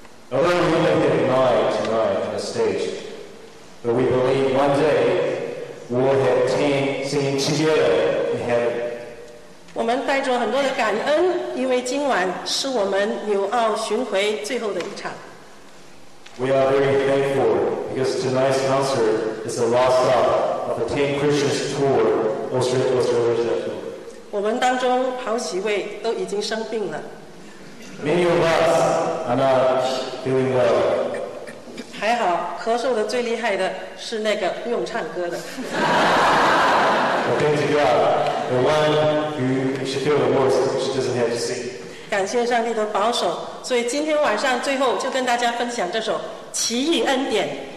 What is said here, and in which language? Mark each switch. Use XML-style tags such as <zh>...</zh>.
<en>Although we may be denied tonight on the stage, but we believe one day we'll have team singing together in heaven.</en> <zh>我们带着很多的感恩，因为今晚是我们纽澳巡回最后的一场。</zh> <en>We are very thankful because tonight's concert is the last stop of the 10 Christians tour Australia.</en> <zh>我们当中好几位都已经生病了。</zh> <en>Many of us are not feeling well.</en> <zh>还好，咳嗽的最厉害的是那个不用唱歌的。</zh> <en>Well, thank you God. The one who should feel the worst, she doesn't have to sing.</en> <zh>感谢上帝的保守，所以今天晚上最后就跟大家分享这首《奇异恩典》。</zh>